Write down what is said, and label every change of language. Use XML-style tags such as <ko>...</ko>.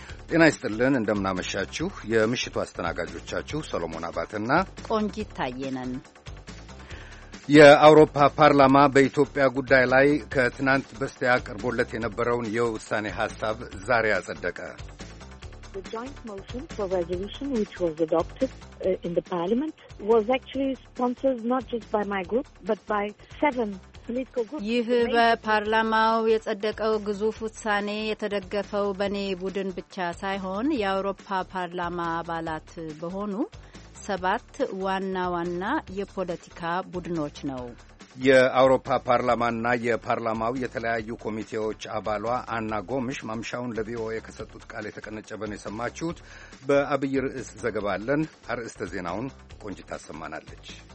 <am>ጤና ይስጥልን፣ እንደምናመሻችሁ። የምሽቱ አስተናጋጆቻችሁ ሰሎሞን አባትና ቆንጂት ታዬ ነን። የአውሮፓ ፓርላማ በኢትዮጵያ ጉዳይ ላይ ከትናንት በስቲያ ቀርቦለት የነበረውን የውሳኔ ሐሳብ ዛሬ አጸደቀ።</am> <en>The joint motion for resolution which was adopted in the parliament was actually sponsored not just by my group but by 7 political groups.</en> <am>ይህ በፓርላማው የጸደቀው ግዙፍ ውሳኔ የተደገፈው በኔ ቡድን ብቻ ሳይሆን የአውሮፓ ፓርላማ አባላት በሆኑ 7 ዋና ዋና የፖለቲካ ቡድኖች ነው። የአውሮፓ ፓርላማና የፓርላማው የተለያዩ ኮሚቴዎች አባሏ አና ጎምሽ ማምሻውን ለቪኦኤ ከሰጡት ቃል የተቀነጨበ ነው የሰማችሁት። በአብይ ርዕስ ዘገባ አለን። አርዕስተ ዜናውን ቆንጅት አሰማናለች።</am>